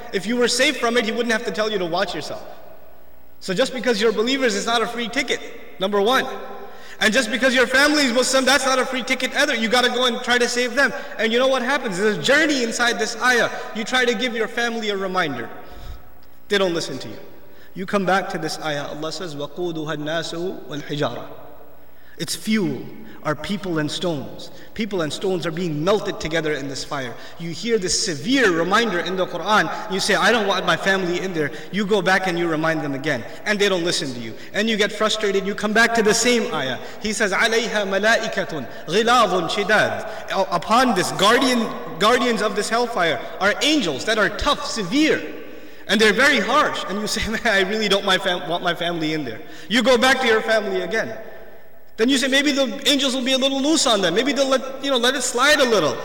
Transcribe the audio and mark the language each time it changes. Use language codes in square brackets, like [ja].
[en] If you were safe from it, He wouldn't have to tell you to watch yourself. So just because you're believers, it's not a free ticket, number one. And just because your family is Muslim, that's not a free ticket either. You got to go and try to save them. And you know what happens? There's a journey inside this ayah. You try to give your family a reminder. They don't listen to you. You come back to this ayah. Allah says, [ar] وَقُودُهَا النَّاسُ وَالْحِجَارَةُ. [en] It's fuel. Are people and stones. People and stones are being melted together in this fire. You hear this severe reminder in the Quran. You say, I don't want my family in there. You go back and you remind them again. And they don't listen to you. And you get frustrated. You come back to the same ayah. He says, [ar] عَلَيْهَا مَلَائِكَةٌ غِلَاظٌ شِدَادٌ. [en] Upon this, guardians of this hellfire are angels that are tough, severe. And they're very harsh. And you say, man, I really don't want my family in there. You go back to your family again. Then you say, maybe the angels will be a little loose on them. Maybe they'll let it slide a little.